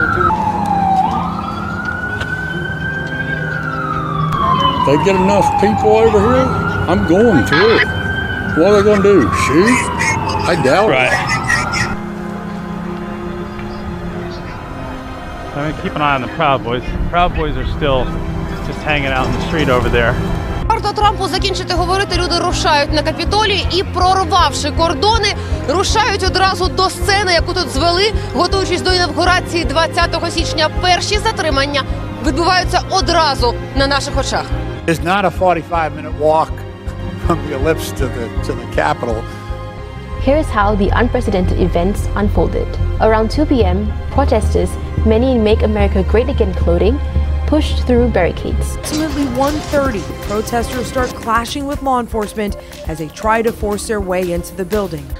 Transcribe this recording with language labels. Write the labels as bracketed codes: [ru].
[en] If they get enough people over here, I'm going through. What are they going to do? Shoot? I doubt right. it. I mean, keep an eye on the Proud Boys. The Proud Boys are still just hanging out in the street over there. [uk] Варто Трампу закінчити говорити, люди рушають на Капітолій і, прорвавши кордони, рушають одразу до сцени, яку тут звели, готуючись до інавгурації 20 січня. Перші затримання відбуваються одразу на наших очах. [en] It's not a 45-minute walk from the ellipse to the Capitol. Here is how the unprecedented events unfolded. Around 2 p.m., protesters, many in Make America Great Again clothing, pushed through barricades. Approximately 1:30, protesters start clashing with law enforcement as they try to force their way into the building.